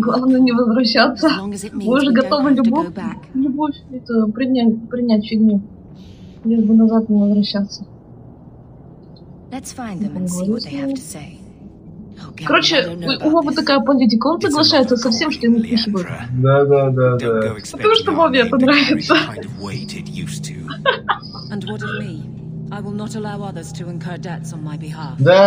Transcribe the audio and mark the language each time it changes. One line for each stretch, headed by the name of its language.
Russian: Главное не возвращаться. Мы уже готовы любовь это принять фигню. Лишь бы назад не возвращаться.
English: Let's find them and see what they have to say.
Russian: Короче, у Вовы такая политика, он соглашается со всем, что ему пишут. Да-да-да. Потому что Вове это нравится. Да, это другого выбора нету.